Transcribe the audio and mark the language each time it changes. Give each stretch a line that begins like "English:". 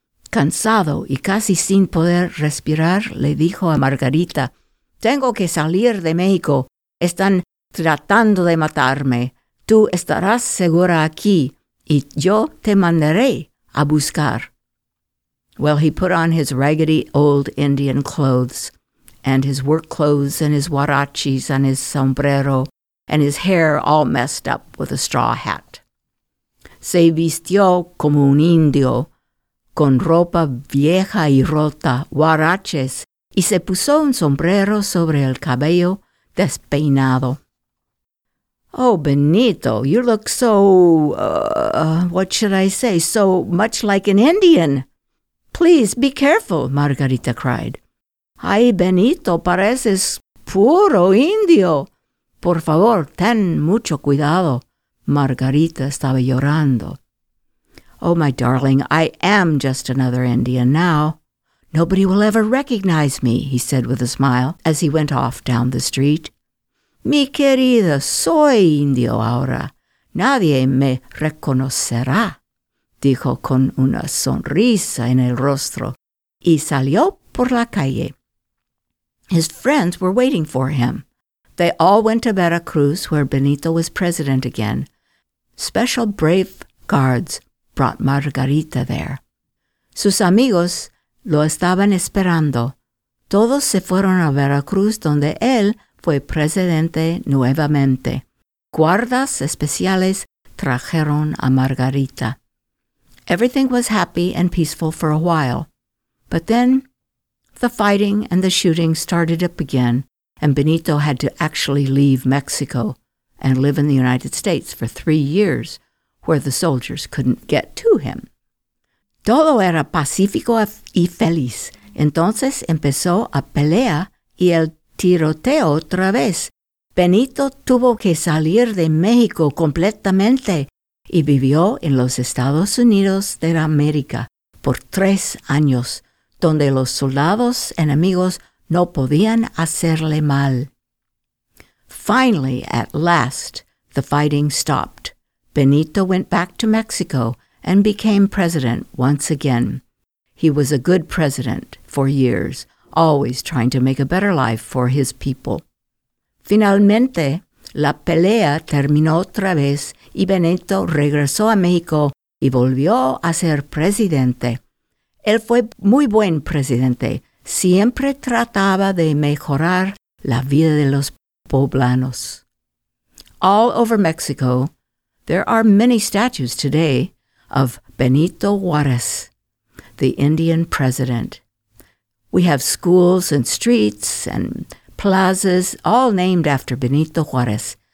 Spanish: Cansado y casi sin poder respirar, le dijo a Margarita, "Tengo que salir de México. Están tratando de matarme. Tú estarás segura aquí y yo te mandaré a buscar."
English: Well, he put on his raggedy old Indian clothes and his work clothes and his huaraches and his sombrero and his hair all messed up with a straw hat.
Spanish: Se vistió como un indio, con ropa vieja y rota, huaraches, y se puso un sombrero sobre el cabello despeinado.
English: "Oh, Benito, you look so, what should I say, so much like an Indian. Please be careful," Margarita cried.
Spanish: "Ay, Benito, pareces puro indio. Por favor, ten mucho cuidado." Margarita estaba llorando.
English: "Oh, my darling, I am just another Indian now. Nobody will ever recognize me," he said with a smile as he went off down the street.
Spanish: "Mi querida, soy indio ahora. Nadie me reconocerá," dijo con una sonrisa en el rostro, y salió por la calle.
English: His friends were waiting for him. They all went to Veracruz, where Benito was president again. Special brave guards brought Margarita there.
Spanish: Sus amigos lo estaban esperando. Todos se fueron a Veracruz, donde él fue presidente nuevamente. Guardas especiales trajeron a Margarita.
English: Everything was happy and peaceful for a while. But then, the fighting and the shooting started up again, and Benito had to actually leave Mexico and live in the United States for 3 years, where the soldiers couldn't get to him.
Spanish: Todo era pacífico y feliz. Entonces empezó a pelea y el tiroteo otra vez. Benito tuvo que salir de México completamente y vivió en los Estados Unidos de América por 3 años, donde los soldados enemigos no podían hacerle mal.
English: Finally, at last, the fighting stopped. Benito went back to Mexico and became president once again. He was a good president for years, always trying to make a better life for his people.
Spanish: Finalmente, la pelea terminó otra vez y Benito regresó a México y volvió a ser presidente. Él fue muy buen presidente. Siempre trataba de mejorar la vida de los poblanos.
English: All over Mexico, there are many statues today of Benito Juárez, the Indian president. We have schools and streets and plazas all named after Benito Juárez.